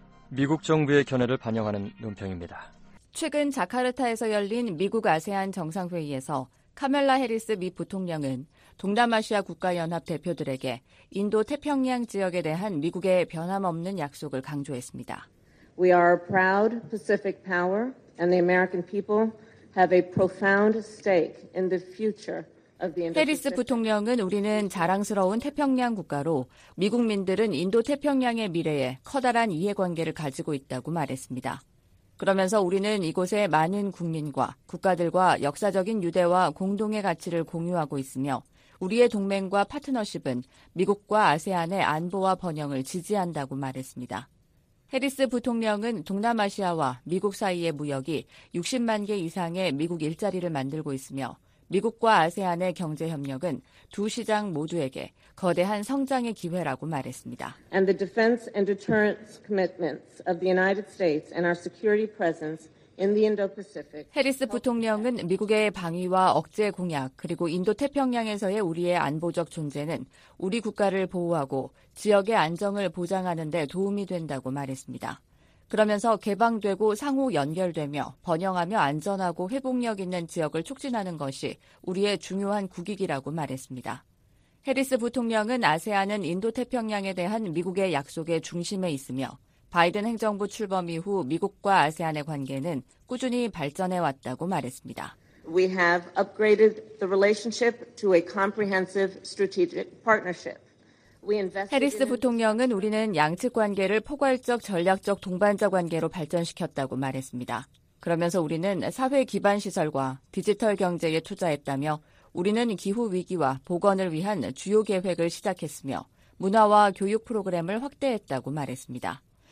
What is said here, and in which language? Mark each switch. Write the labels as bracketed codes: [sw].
[ko] 미국 정부의 견해를 반영하는 논평입니다. 최근 자카르타에서 열린 미국 아세안 정상회의에서 카멜라 해리스 미 부통령은 동남아시아 국가연합 대표들에게 인도 태평양 지역에 대한 미국의 변함없는 약속을 강조했습니다. [en] We are a proud Pacific power and the American people have a profound stake in the future of the Indo-Pacific. [ko] 해리스 부통령은 우리는 자랑스러운 태평양 국가로 미국민들은 인도 태평양의 미래에 커다란 이해관계를 가지고 있다고 말했습니다. 그러면서 우리는 이곳의 많은 국민과 국가들과 역사적인 유대와 공동의 가치를 공유하고 있으며 우리의 동맹과 파트너십은 미국과 아세안의 안보와 번영을 지지한다고 말했습니다. 해리스 부통령은 동남아시아와 미국 사이의 무역이 60만 개 이상의 미국 일자리를 만들고 있으며 미국과 아세안의 경제협력은 두 시장 모두에게 거대한 성장의 기회라고 말했습니다. [en] And the defense and deterrence commitments of the United States and our security presence in the Indo-Pacific. [ko] 해리스 부통령은 미국의 방위와 억제 공약 그리고 인도 태평양에서의 우리의 안보적 존재는 우리 국가를 보호하고 지역의 안정을 보장하는 데 도움이 된다고 말했습니다. 그러면서 개방되고 상호 연결되며 번영하며 안전하고 회복력 있는 지역을 촉진하는 것이 우리의 중요한 국익이라고 말했습니다. 해리스 부통령은 아세안은 인도태평양에 대한 미국의 약속의 중심에 있으며 바이든 행정부 출범 이후 미국과 아세안의 관계는 꾸준히 발전해왔다고 말했습니다. [en] We have upgraded the relationship to a comprehensive strategic partnership. [ko] 해리스 부통령은 우리는 양측 관계를 포괄적 전략적 동반자 관계로 발전시켰다고 말했습니다. 그러면서 우리는 사회 기반 시설과 디지털 경제에 투자했다며 우리는 기후 위기와 복원을 위한 주요 계획을 시작했으며 문화와 교육 프로그램을 확대했다고 말했습니다.